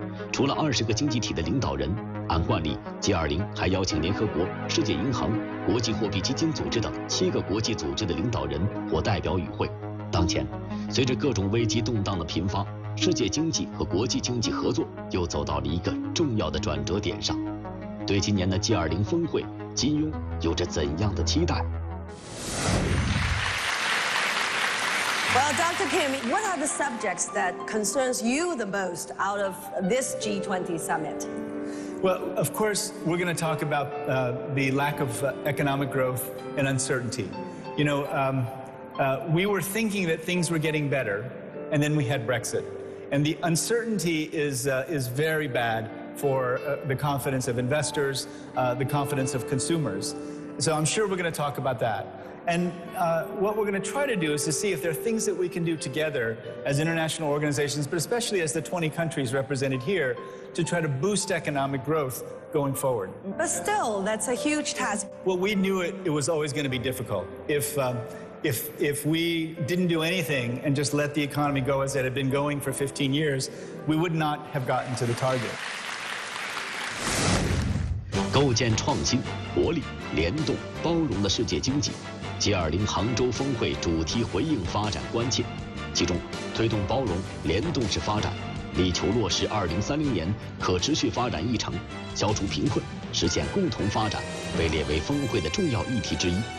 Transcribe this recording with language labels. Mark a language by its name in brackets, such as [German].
[Chinese] 除了二十个经济体的领导人，按惯例 G20 还邀请联合国、世界银行、国际货币基金组织等七个国际组织的领导人或代表与会。当前随着各种危机动荡的频发，世界经济和国际经济合作又走到了一个重要的转折点上。对今年的 G20 峰会，金庸有着怎样的期待？ [English] Well, Dr. Kim, what are the subjects that concerns you the most out of this G20 summit? Well, of course, we're going to talk about the lack of economic growth and uncertainty. You know, we were thinking that things were getting better, and then we had Brexit. And the uncertainty is very bad for the confidence of investors, the confidence of consumers. So I'm sure we're going to talk about that. And what we're going to try to do is to see if there are things that we can do together as international organizations, but especially as the 20 countries represented here, to try to boost economic growth going forward. But still, that's a huge task. Well, we knew it was always going to be difficult. If we didn't do anything and just let the economy go as it had been going for 15 years, we would not have gotten to the target. [Chinese] 构建创新、活力、联动、包容的世界经济 ，G20 杭州峰会主题回应发展关切，其中推动包容、联动式发展，力求落实2030年可持续发展议程，消除贫困，实现共同发展，被列为峰会的重要议题之一。